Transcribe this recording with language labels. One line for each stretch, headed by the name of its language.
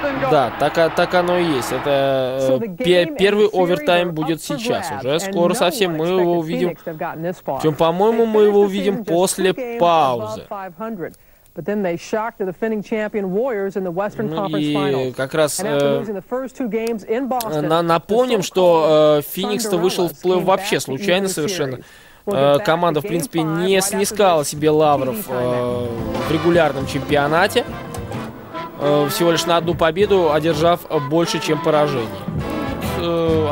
Russian: Да, так оно и есть. Это первый овертайм будет сейчас. Уже скоро совсем мы его увидим. Причем, по-моему, мы его увидим после паузы.
English: But then they shocked the defending champion Warriors in the Western Conference Finals.
Russian: Ну и как раз напомним, что Феникс вышел в плей-офф вообще случайно совершенно. Команда, в принципе, не снискала себе лавров в регулярном чемпионате, всего лишь на одну победу одержав больше, чем поражений.